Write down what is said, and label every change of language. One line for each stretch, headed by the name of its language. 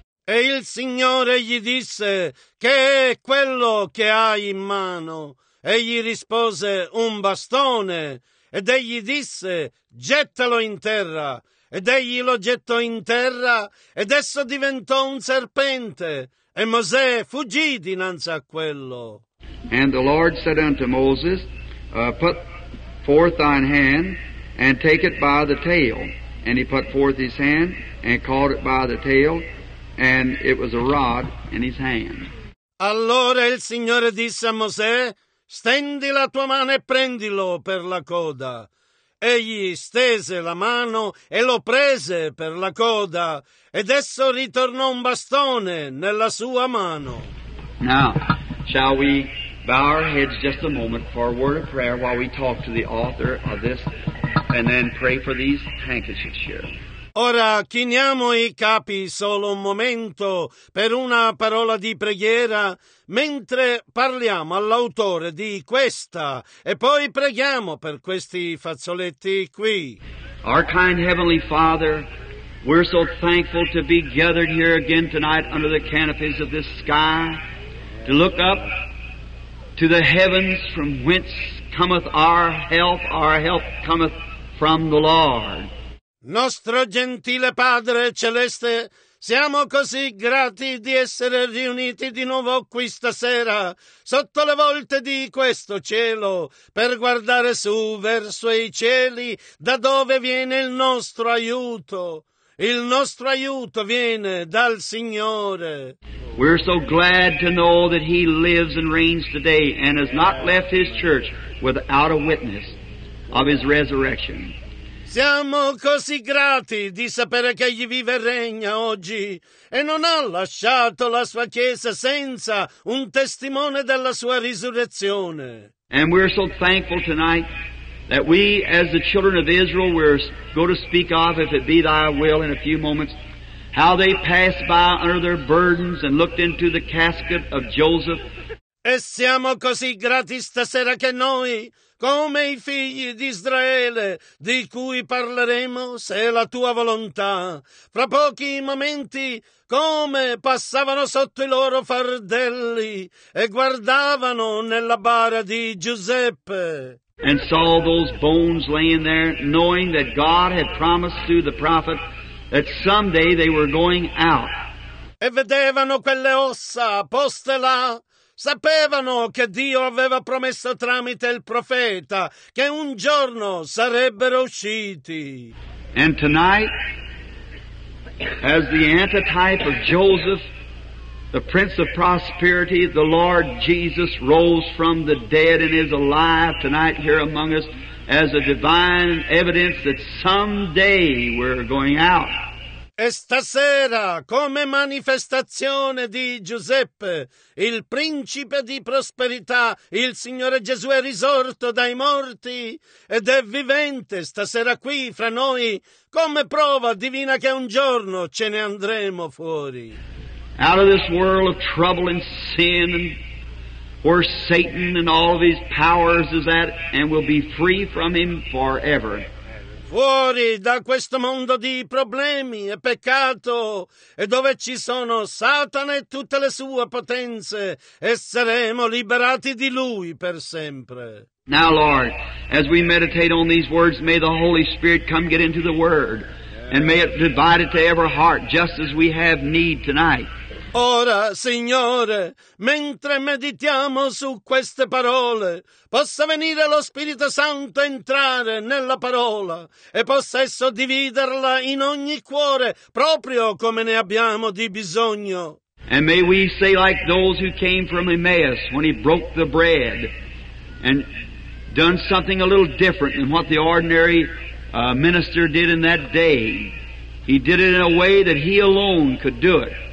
Italian: E il Signore gli disse, Che è quello che hai in mano? Egli rispose, Un bastone. Ed egli disse, Gettalo in terra. Ed egli lo gettò in terra, ed esso diventò un serpente. E Mosè fuggì dinanzi a quello.
English: And the Lord said unto Moses, Put forth thine hand, and take it by the tail. And he put forth his hand, and caught it by the tail, and it was a rod in his hand.
Italian: Allora il Signore disse a Mosè, Stendi la tua mano e prendilo per la coda. Egli stese la mano e lo prese per la coda, ed esso ritornò un bastone nella sua mano.
English: Now, shall we bow our heads just a moment for a word of prayer while we talk to the author of this, and then pray for these handkerchiefs here.
Italian: Ora chiniamo i capi solo un momento per una parola di preghiera mentre parliamo all'autore di questa e poi preghiamo per questi fazzoletti qui.
English: Our kind Heavenly Father, we're so thankful to be gathered here again tonight under the canopies of this sky to look up to the heavens from whence cometh our help cometh from the Lord.
Italian: Nostro gentile Padre Celeste, siamo così grati di essere riuniti di nuovo qui stasera, sotto le volte di questo cielo, per guardare su verso i cieli, da dove viene il nostro aiuto. Il nostro aiuto viene dal Signore.
English: We're so glad to know that He lives and reigns today and has not left His church without a witness of His resurrection.
Italian: Siamo così grati di sapere che Egli vive e regna oggi e non ha lasciato la sua chiesa senza un testimone della sua risurrezione.
English: And we're so thankful tonight that we, as the children of Israel, we're going to speak of, if it be thy will, in a few moments, how they passed by under their burdens and looked into the casket of Joseph.
Italian: E siamo così grati stasera che noi, come i figli di Israele, di cui parleremo, se è la tua volontà, fra pochi momenti, come passavano sotto i loro fardelli e guardavano nella bara di Giuseppe.
English: And saw those bones laying there, knowing that God had promised through the prophet that someday they were going out.
Italian: E vedevano quelle ossa poste là. Sapevano che Dio aveva promesso tramite il profeta che un giorno sarebbero usciti.
English: And tonight, as the antitype of Joseph, the Prince of Prosperity, the Lord Jesus rose from the dead and is alive tonight here among us as a divine evidence that someday we're going out.
Italian: E stasera, come manifestazione di Giuseppe, il principe di prosperità, il Signore Gesù è risorto dai morti ed è vivente stasera qui fra noi come prova divina che un giorno ce ne andremo fuori.
English: Out of this world of trouble and sin, and where Satan and all of his powers is at, and will be free from him forever.
Italian: Fuori da questo mondo di problemi e peccato, e dove ci sono Satana e tutte le sue potenze, e saremo liberati di lui per sempre.
English: Now, Lord, as we meditate on these words, may the Holy Spirit come get into the Word. And may it divide it to every heart, just as we have need tonight.
Italian: Ora, Signore, mentre meditiamo su queste parole, possa venire lo Spirito Santo entrare nella parola e possa esso dividerla in ogni cuore, proprio come ne abbiamo di bisogno.
English: And may we say like those who came from Emmaus when he broke the bread and done something a little different than what the ordinary minister did in that day. He did it in a way that he alone could do it.